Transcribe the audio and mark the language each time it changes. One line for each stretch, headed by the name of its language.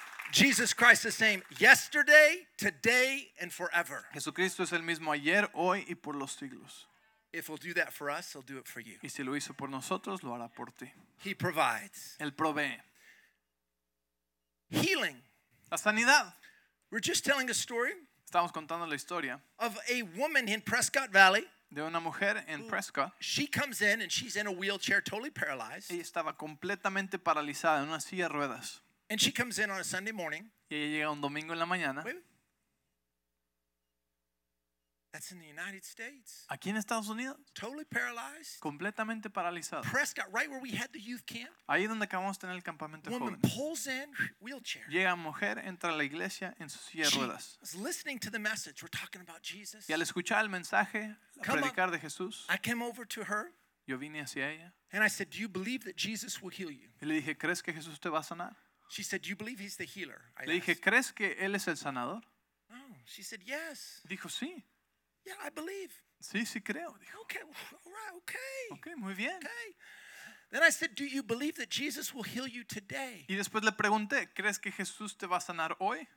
English: Jesus Christ the same yesterday, today, and forever.
Spanish: Jesucristo es el mismo ayer, hoy y por los siglos.
English: If he'll do that for us, he'll do it for you.
Spanish: Y si lo hizo por nosotros, lo hará por ti.
English: He provides.
Spanish: Él provee.
English: Healing.
Spanish: La sanidad.
English: We're just telling a story.
Spanish: Estamos contando la historia.
English: Of a woman in Prescott Valley.
Spanish: De una mujer en Prescott.
English: She comes in and she's in a wheelchair, totally paralyzed.
Spanish: Ella estaba completamente paralizada en una silla de ruedas.
English: And she comes in on a Sunday morning.
Spanish: Y ella llega un domingo en la mañana.
English: That's in the United States.
Spanish: Aquí en Estados Unidos.
English: Totally paralyzed.
Spanish: Completamente paralizada.
English: Prescott, right where we had the youth camp.
Spanish: Ahí donde acabamos de tener el campamento joven.
English: Woman pulls in wheelchair.
Spanish: Llega mujer, entra a la iglesia en su silla de ruedas.
English: She was listening to the message. We're talking about Jesus.
Spanish: Y al escuchar el mensaje, a predicar de Jesús.
English: I came over to her.
Spanish: Yo vine hacia ella.
English: And I said, "Do you believe that Jesus will heal you?"
Spanish: Y le dije, "¿Crees que Jesús te va a sanar?"
English: She said, "Do you believe he's the healer?"
Spanish: Le dije, "¿Crees que él es el sanador?"
English: Oh, she said, "Yes."
Spanish: Dijo, "Sí."
English: Yeah, I believe.
Spanish: Sí, sí creo. Dijo.
English: Okay, all right, okay.
Spanish: Okay, muy bien.
English: Okay. Then I said, "Do you believe that Jesus will heal you today?"
Spanish: Y después le pregunté, "¿Crees que Jesús te va a sanar hoy?"